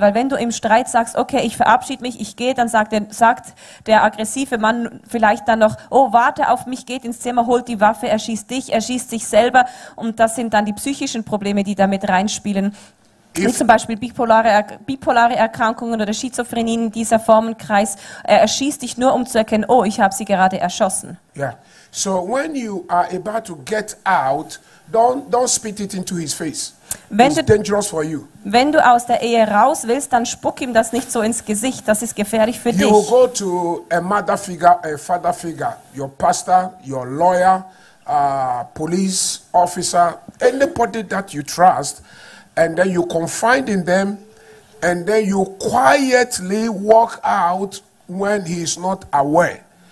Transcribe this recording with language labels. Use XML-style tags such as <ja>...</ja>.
<de>Weil wenn du im Streit sagst, okay, ich verabschiede mich, ich gehe, dann sagt der aggressive Mann vielleicht dann noch, oh, warte auf mich, geht ins Zimmer, holt die Waffe, erschießt dich, erschießt sich selber. Und das sind dann die psychischen Probleme, die damit reinspielen. Wie zum Beispiel bipolare Erkrankungen oder Schizophrenie in dieser Formenkreis. Er erschießt dich nur, um zu erkennen, oh, ich habe sie gerade erschossen.</de> <en>Yeah. So when you are about to get out, don't spit it into his face. It's dangerous for you.</en> <de>Wenn du aus der Ehe raus willst, dann spuck ihm das nicht so ins Gesicht. Das ist gefährlich für</de> <en>you</en> <de>dich.</de> <en>You go to a mother figure, a father figure, your pastor, your lawyer, police officer, anybody that you trust. And then you confide in them, and then you quietly walk out when he is not aware.</en>